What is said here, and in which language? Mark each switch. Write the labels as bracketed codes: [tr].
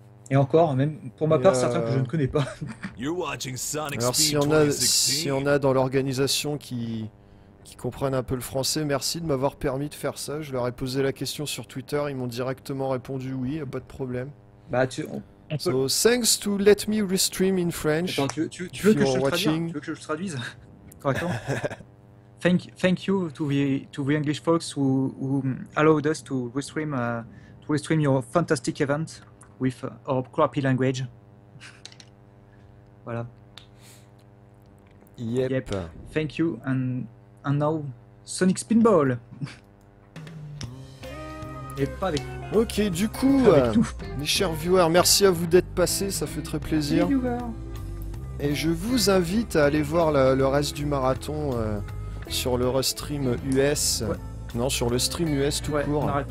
[fr] Et encore, même pour ma part, certains que je ne connais pas. Alors, s'il y en a dans l'organisation qui comprennent un peu le français, merci de m'avoir permis de faire ça. Je leur ai posé la question sur Twitter, ils m'ont directement répondu oui, pas de problème. Bah, on peut... [en] So, thanks to let me restream in French. [fr] Attends, tu veux que je traduise correctement. [en] Thank you to the English folks who allowed us to restream your fantastic event with our crappy language. Voilà. Yep. Yep. Thank you, and now Sonic Spinball. [fr] Et pas avec. Ok, du coup, mes chers viewers, merci à vous d'être passés, ça fait très plaisir. Et je vous invite à aller voir le reste du marathon sur le stream US. Ouais. Non, sur le stream US tout ouais, court.